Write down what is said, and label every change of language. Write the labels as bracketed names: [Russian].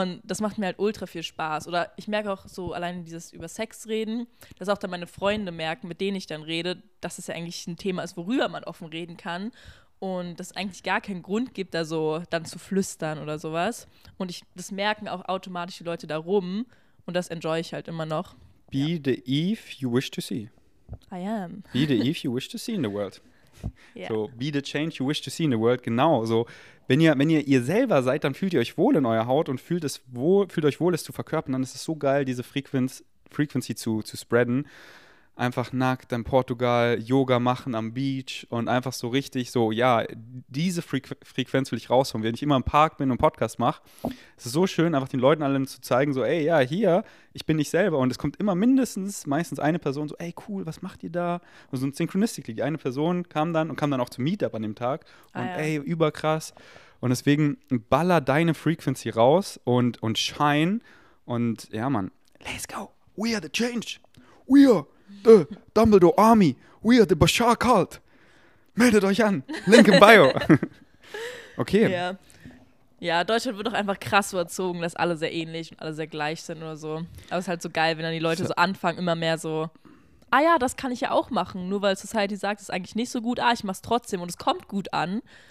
[German] Und das macht mir halt ultra viel Spaß. Oder ich merke auch so allein dieses über Sex reden, dass auch dann meine Freunde merken, mit denen ich dann rede, dass es ja eigentlich ein Thema ist, worüber man offen reden kann. Und dass es eigentlich gar keinen Grund gibt, da so dann zu flüstern oder sowas. Und ich, das merken auch automatisch die Leute da rum. Und das enjoy ich halt immer noch. [English] Be ja. the Eve you wish to see. I am. Be the Eve you wish to see in the world. Yeah. So, be the change you wish to see in the world. [German] Genau, so, wenn ihr selber seid, dann fühlt ihr euch wohl in eurer Haut und fühlt euch wohl, es zu verkörpern, dann ist es so geil, diese Frequency zu spreaden. Einfach nackt in Portugal, Yoga machen am Beach und einfach so richtig so, ja, diese Frequenz will ich raushauen. Wenn ich immer im Park bin und Podcast mache, ist es so schön, einfach den Leuten allen zu zeigen, so, ey, ja, hier, ich bin ich selber. Und es kommt immer meistens eine Person so, ey, cool, was macht ihr da? Und so ein Synchronistically, die eine Person kam dann auch zum Meetup an dem Tag und ey, überkrass. Und deswegen baller deine Frequency raus und shine und ja, Mann, [English] let's go. We are the change. We are The Dumbledore Army, we are the Bashar Cult. [German] Meldet euch an, Link im Bio. Okay. Ja. Ja, Deutschland wird doch einfach krass so erzogen, dass alle sehr ähnlich und alle sehr gleich sind oder so. Aber es ist halt so geil, wenn dann die Leute so anfangen, immer mehr so, ah ja, das kann ich ja auch machen, nur weil Society sagt, es ist eigentlich nicht so gut, ah, ich mach's trotzdem und es kommt gut an.